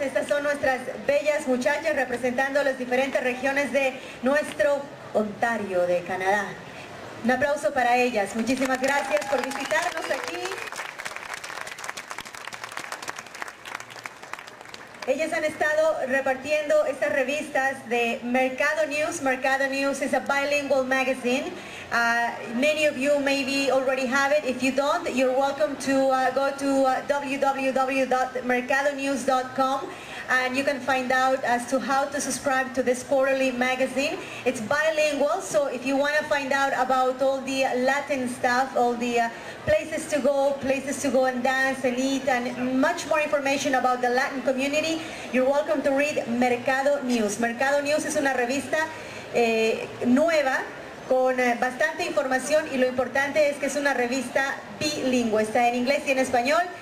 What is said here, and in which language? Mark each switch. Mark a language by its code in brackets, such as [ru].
[es] Estas son nuestras bellas muchachas representando las diferentes regiones de nuestro Ontario, de Canadá. Un aplauso para ellas. Muchísimas gracias por visitarnos aquí. Ellas han estado repartiendo estas revistas de Mercado News. [en] Mercado News is a bilingual magazine. Many of you maybe already have it. If you don't, you're welcome to go to www.mercadonews.com and you can find out as to how to subscribe to this quarterly magazine. It's bilingual, so if you want to find out about all the Latin stuff, all the places to go and dance and eat, and much more information about the Latin community, you're welcome to read Mercado News. [es] Mercado News is una revista nueva, con bastante información, y lo importante es que es una revista bilingüe, está en inglés y en español.